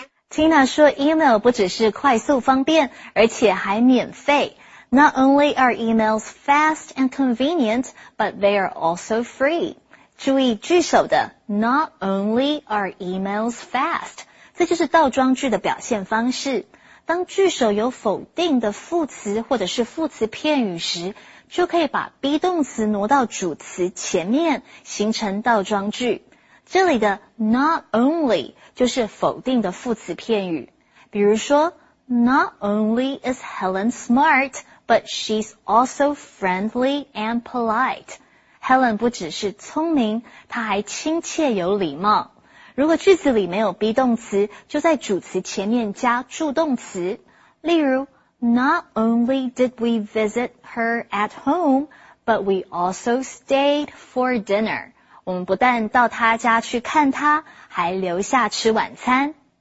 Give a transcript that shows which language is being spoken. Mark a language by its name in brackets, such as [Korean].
[Chinese] Tina 说 email 不只是快速方便，而且还免费。 [English] Not only are emails fast and convenient, but they are also free. [Chinese] 注意句首的 [English] not only are emails fast. [Chinese] 这就是倒装句的表现方式。当句首有否定的副词或者是副词片语时，就可以把 be 动词挪到主词前面，形成倒装句。这里的 not only 就是否定的副词片语。比如说 [English] Not only is Helen smart, but she's also friendly and polite. [Chinese] Helen 不只是聪明，她还亲切有礼貌。如果句子里没有 be 动词，就在主词前面加助动词。例如 [English] ,Not only did we visit her at home, but we also stayed for dinner. [Chinese] 我们不但到她家去看她，还留下吃晚餐。